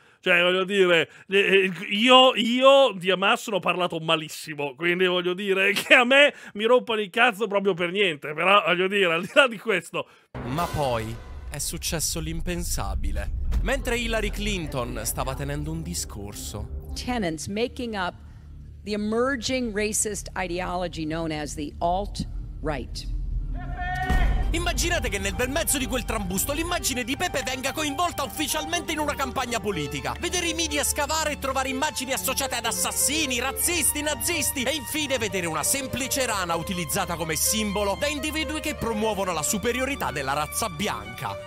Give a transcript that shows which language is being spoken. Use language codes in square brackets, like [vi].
[it] Cioè, voglio dire, io di Hamas ho parlato malissimo, quindi voglio dire che a me mi rompono il cazzo proprio per niente, però voglio dire, al di là di questo. Ma poi è successo l'impensabile. Mentre Hillary Clinton stava tenendo un discorso, [en] tenants making up the emerging racist ideology known as the alt-right. [it] Immaginate che nel bel mezzo di quel trambusto l'immagine di Pepe venga coinvolta ufficialmente in una campagna politica. Vedere i media scavare e trovare immagini associate ad assassini, razzisti, nazisti. E infine vedere una semplice rana utilizzata come simbolo da individui che promuovono la superiorità della razza bianca.